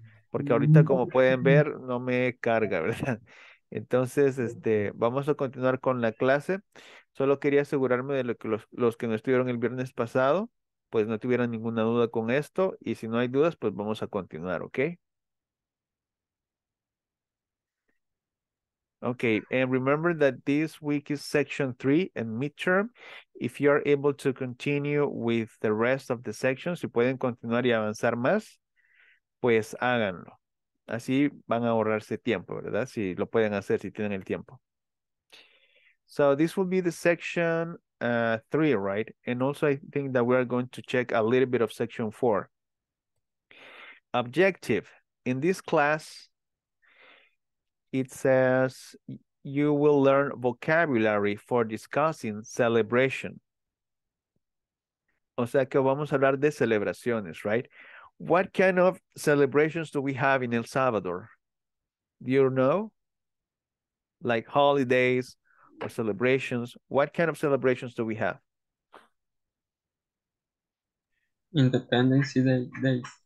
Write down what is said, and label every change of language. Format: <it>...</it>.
<es>Porque ahorita, como pueden ver, no me carga, ¿verdad? Entonces, vamos a continuar con la clase. Solo quería asegurarme de lo que los que no estuvieron el viernes pasado, pues no tuvieran ninguna duda con esto. Y si no hay dudas, pues vamos a continuar, ¿ok?</es> <en>Okay, and remember that this week is section 3 and midterm. If you are able to continue with the rest of the sections,</en> <es>si pueden continuar y avanzar más, pues háganlo. Así van a ahorrarse tiempo, ¿verdad? Si lo pueden hacer, si tienen el tiempo.</es> <en>So this will be the section 3, right? And also I think that we are going to check a little bit of section 4. Objective. In this class, it says you will learn vocabulary for discussing celebration.</en> <es>O sea que vamos a hablar de celebraciones, right?</es> <en>What kind of celebrations do we have in El Salvador? Do you know? Like holidays or celebrations. What kind of celebrations do we have? Independence Day.</en>